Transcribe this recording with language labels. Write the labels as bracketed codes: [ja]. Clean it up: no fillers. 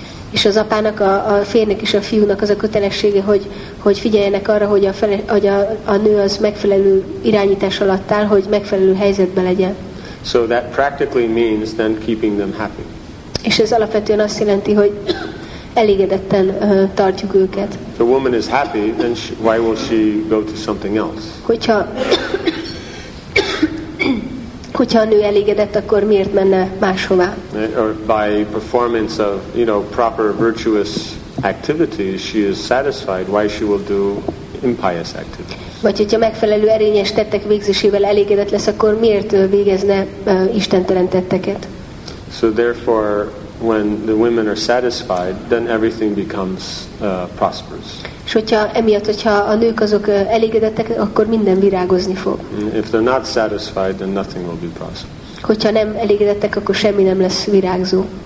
[hu] És az apának, a férnek és a fiúnak az a kötelessége, hogy figyeljenek arra, hogy a nő az megfelelő irányítás alatt áll, hogy megfelelő helyzetben legyen. [en] So that practically means then keeping them happy. [hu] És ez alapvetően azt jelenti, hogy elégedetten tartjuk őket. [en] If a woman is happy, then why will she go to something else? [hu] Hogyha a nő elégedett, akkor miért menne máshová? [en] Or by performance of, you know, proper virtuous activities, she is satisfied, why she will do impious activities? [hu] Vagy hogyha megfelelő erényes tettek végzésével elégedett lesz, akkor miért végezne istentelen tetteket? [en] So therefore, when the women are satisfied, then everything becomes prosperous. [hu] És hogyha a nők azok elégedettek, akkor minden virágozni fog. [en] If they're not satisfied, then nothing will be prosperous. [hu] Hogyha nem elégedettek, akkor semmi nem lesz virágzó.